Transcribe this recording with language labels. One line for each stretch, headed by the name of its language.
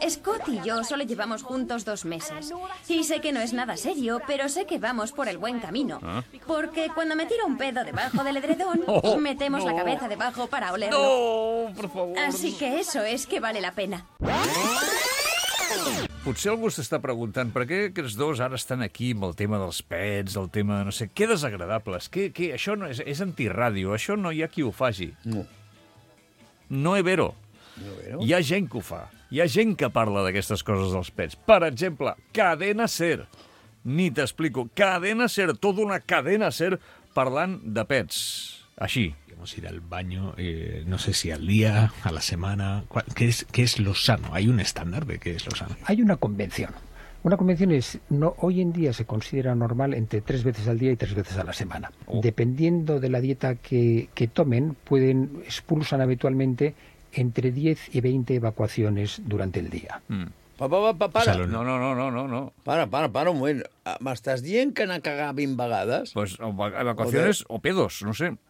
Spanish: Scott y yo solo llevamos juntos 2 meses. Y sé que no es nada serio, pero sé que vamos por el buen camino. Porque cuando me tiro un pedo debajo del edredón, metemos la cabeza debajo para olerlo. Por favor. Así que eso es que vale la pena.
Catalan: Potser algú s'està preguntant per què aquests dos ara estan aquí amb el tema dels pets, el tema, no sé, què desagradables, què, això no és antirràdio, això no hi ha qui ho faci. No. No és vero. No és vero. Hi ha gent que ho fa. Hi ha gent que parla d'aquestes coses dels pets. Per exemple, Cadena Ser. Ni t'explico. Cadena Ser, tota una Cadena Ser parlant de pets, així.
Spanish: Vamos a ir al baño, no sé si al día, a la semana... ¿Qué es lo sano? ¿Hay un estándar de qué es lo sano? Hay una convención. Una convención es, no, hoy en día se considera normal entre 3 veces al día y 3 veces a la semana. Oh. Dependiendo de la dieta que tomen, pueden expulsan habitualmente entre 10 y 20 evacuaciones durante el día. Mm. Para. O sea, no.
Catalan: Para un moment. M'estàs dient que anar a cagar 20 vegades?
Spanish: Pues evacuaciones o pedos, no sé.